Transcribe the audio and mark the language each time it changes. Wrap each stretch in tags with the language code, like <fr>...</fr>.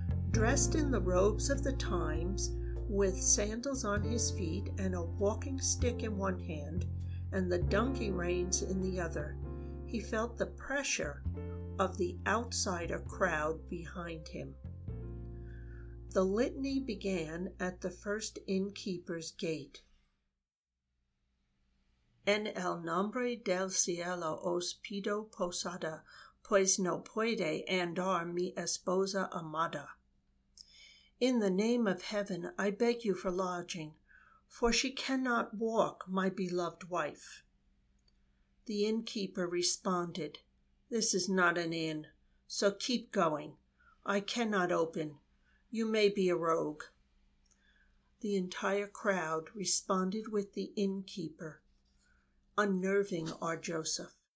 <en>Dressed in the robes of the times, with sandals on his feet and a walking stick in one hand, and the donkey reins in the other, he felt the pressure of the outsider crowd behind him. The litany began at the first innkeeper's gate.</en> <es>En el nombre del cielo os pido posada, pues no puede andar mi esposa amada.</es> <en>In the name of heaven, I beg you for lodging, for she cannot walk, my beloved wife. The innkeeper responded, "This is not an inn, so keep going. I cannot open. You may be a rogue." The entire crowd responded with the innkeeper, unnerving our Joseph.</en>